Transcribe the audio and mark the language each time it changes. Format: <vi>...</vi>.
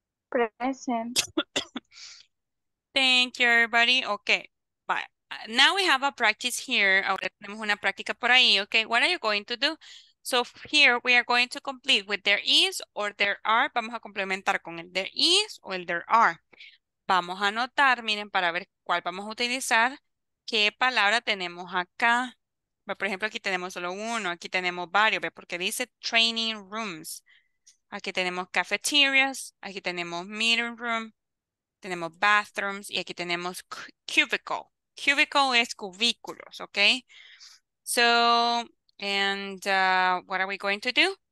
<en>Present. Thank you, everybody. Okay. Bye. Now we have a practice here.</en> <es>Ahora tenemos una práctica por ahí. Okay.</es> <en>What are you going to do? So here we are going to complete with there is or there are.</en> <es>Vamos a complementar con el there is o el there are. Vamos a anotar, miren, para ver cuál vamos a utilizar, qué palabra tenemos acá. Por ejemplo, aquí tenemos solo uno, aquí tenemos varios, ¿ve? Porque dice training rooms. Aquí tenemos cafeterias, aquí tenemos meeting room, tenemos bathrooms y aquí tenemos cubicle. Cubicle es cubículos, ¿ok?</es> <en>So, and what are we going to do?</en>